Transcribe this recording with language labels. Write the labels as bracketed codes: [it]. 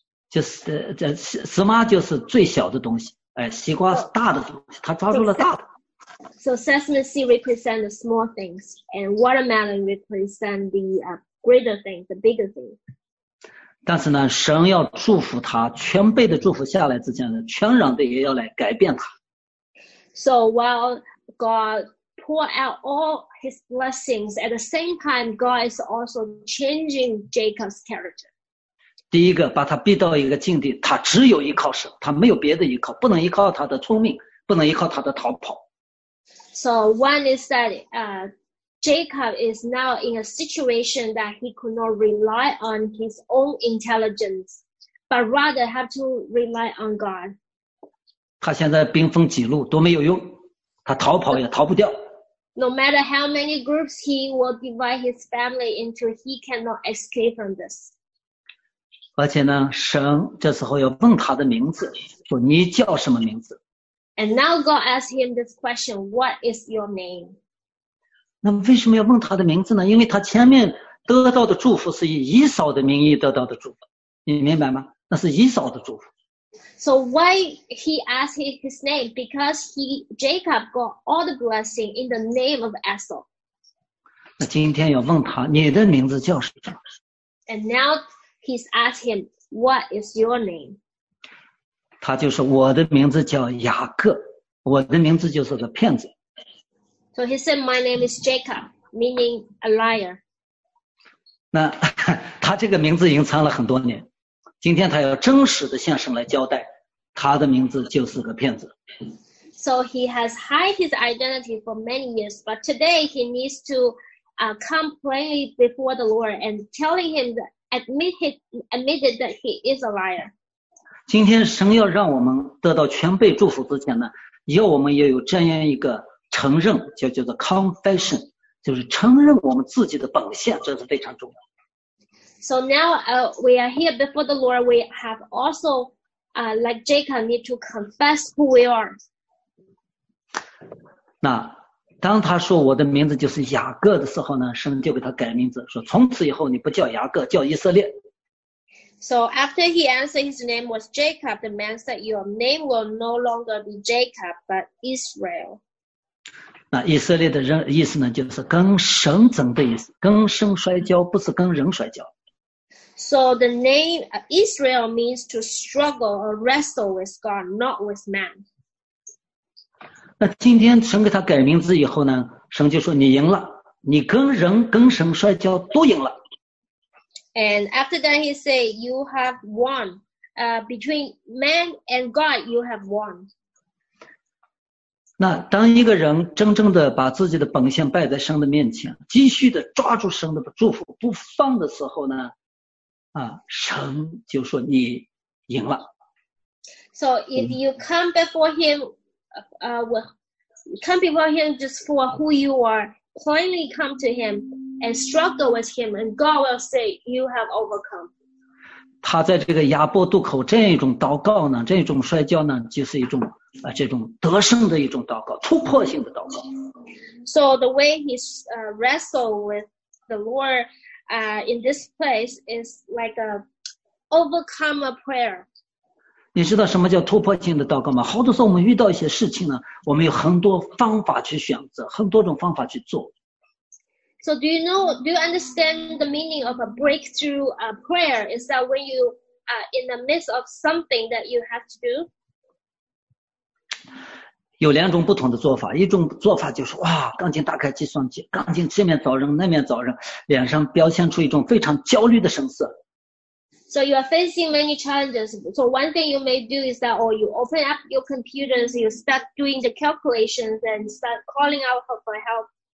[zh] 就是芝麻就是最小的东西，哎，西瓜是大的东西，他抓住了大的。 [en] So sesame seed represents the small things, and watermelon represents the greater things, the bigger things. [zh] 但是呢，神要祝福他，全辈的祝福下来之前呢，全然的也要来改变他。 [en] So while God pour out all his blessings, at the same time, God is also changing Jacob's character. [zh] 第一个，把他逼到一个境地，他只有依靠神，他没有别的依靠，不能依靠他的聪明，不能依靠他的逃跑。 [en] So one is that Jacob is now in a situation that he could not rely on his own intelligence, but rather have to rely on God. [zh] 他现在兵分几路都没有用，他逃跑也逃不掉。 [en] No matter how many groups he will divide his family into, he cannot escape from this. [zh] 而且呢，神这时候要问他的名字，说你叫什么名字？ [en] And now God asks him this question, what is your name? [zh] 那为什么要问他的名字呢？因为他前面得到的祝福是以以扫的名义得到的祝福，你明白吗？那是以扫的祝福。 [en] So why he asked his name? Because he, Jacob got all the blessing in the name of Esau. [zh] 那今天要问他，你的名字叫什么？ [en] And now he's asked him, what is your name? [zh] 他就说，我的名字叫雅各，我的名字就是个骗子。 [en] So he said, my name is Jacob, meaning a liar. [zh] 那他这个名字隐藏了很多年。今天他要真实的向神来交代，他的名字就是个骗子。 [en] So he has hid his identity for many years, but today he needs to come plainly before the Lord and telling him that admitted that he is a liar. [zh] 今天神要让我们得到全备祝福之前呢，要我们也有这样一个承认，叫做 confession， 就是承认我们自己的本性，这是非常重要。 [en] So now we are here before the Lord. We have also, like Jacob, need to confess who we are. [zh] 那当他说我的名字就是雅各的时候呢，神就给他改名字，说从此以后你不叫雅各，叫以色列。 [en] So after he answered his name was Jacob, the man said, "Your name will no longer be Jacob, but Israel." [zh] 那以色列的意思呢，就是跟神争的意思，跟神摔跤，不是跟人摔跤。 [en] So the name Israel means to struggle or wrestle with God, not with man. [zh] 那今天神给他改名字以后呢，神就说你赢了，你跟人跟神摔跤都赢了。 [en] And after that he said, you have won. Between man and God, you have won. [zh] 那当一个人真正的把自己的本性摆在神的面前，继续的抓住神的祝福不放的时候呢，神就说你赢了。 [en] So if you come before him, come before him just for who you are, plainly come to him and struggle with him, and God will say you have overcome. [zh] 他在这个亚伯渡口这一种祷告呢，这一种摔跤呢，就是一种这种得胜的一种祷告，突破性的祷告。 [en] So the way he's wrestled with the Lord. In this place is like a overcome a prayer. [zh] 你知道什么叫突破性的祷告吗？好多时候我们遇到一些事情呢，我们有很多方法去选择，很多种方法去做。 [en] So do you understand the meaning of a breakthrough prayer? Is that when you are in the midst of something that you have to do? [zh] 有两种不同的做法，一种做法就是哇，赶紧打开计算机，赶紧这面找人那面找人，脸上表现出一种非常焦虑的神色。 [en] So you are facing many challenges. So one thing you may do is that, or you open up your computers, you start doing the calculations and start calling out for help.